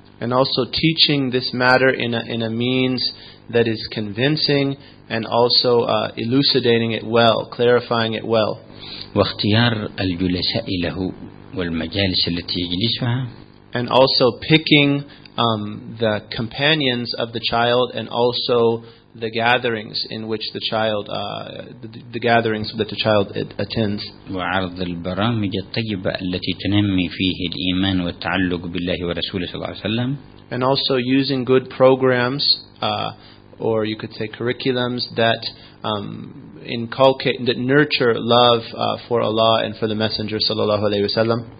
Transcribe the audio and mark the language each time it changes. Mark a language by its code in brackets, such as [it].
[en] And also teaching this matter in a means that is convincing and also elucidating it well, clarifying it well. [ar] واختيار الجلساء له والمجالس التي يجلسها. [en] And also picking the companions of the child and also the gatherings in which the child the gatherings that the child attends. [ar] وعرض البرامج الطيبة التي تنمي فيه الإيمان والتعلق بالله ورسوله صلى الله عليه وسلم. [en] And also using good programs or you could say curriculums that inculcate that nurture love for Allah and for the Messenger [ar] صلى الله عليه وسلم.